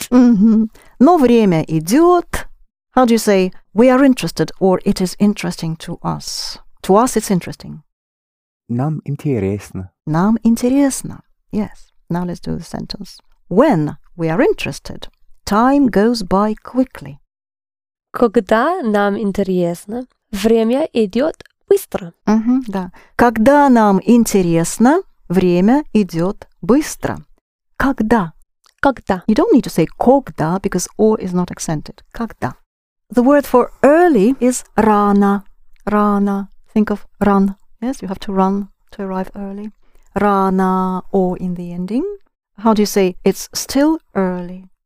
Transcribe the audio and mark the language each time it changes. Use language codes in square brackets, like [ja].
[ru] Mm-hmm. Но время идет. [en] How do you say we are interested or it is interesting to us? To us it's interesting. [ru] Нам интересно. Нам интересно. [en] Yes. Now let's do the sentence. When we are interested, time goes by quickly. [ru] Когда нам интересно, время идет быстро. Mm-hmm, да. Когда нам интересно, время идет быстро. Когда? Когда. [en] You don't need to say когда because о is not accented. Когда. The word for early is рано. Рано. Think of run. Yes, you have to run to arrive early. Рано о in the ending. How do you say it's still early?